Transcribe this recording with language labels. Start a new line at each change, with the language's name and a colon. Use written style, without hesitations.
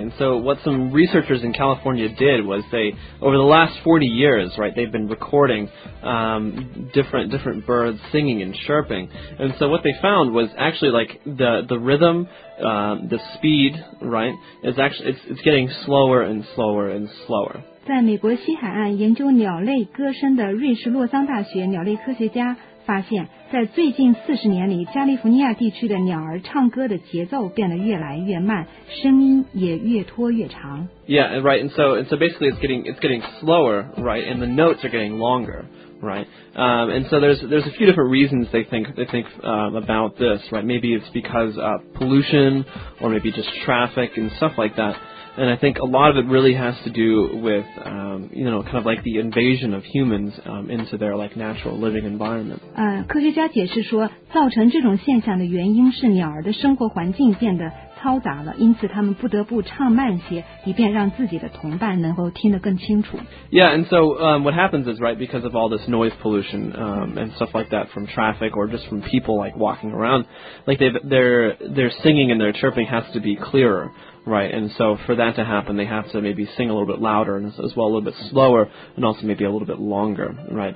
English: And so what some researchers in California did was they, over the last 40 years, right, they've been recording different birds singing and chirping. And so what they found was actually like the rhythm, the speed, right, is actually it's getting slower and slower and slower.
Chinese: 在美国西海岸研究鸟类歌声的瑞士洛桑大学鸟类科学家发现，在最近40年里，加利福尼亚地区的鸟儿唱歌的节奏变得越来越慢，声音也越拖越长。
English: Yeah, right. And so basically, it's getting slower, right? And the notes are getting longer, right? And so there's a few different reasons they think about this, right? Maybe it's because of pollution, or maybe just traffic and stuff like that. And I think a lot of it really has to do with, kind of like the invasion of humans, into their, like, natural living environment.
Chinese: 科学家解释说，造成这种现象的原因是鸟儿的生活环境变得嘈杂了，因此他们不得不唱慢些，以便让自己的同伴能够听得更清楚。
English: Yeah, and so, what happens is, right, because of all this noise pollution, and stuff like that from traffic or just from people, like, walking around, like, their singing and their chirping has to be clearer. Right, and so for that to happen, they have to maybe sing a little bit louder and as well a little bit slower and also maybe a little bit longer, right?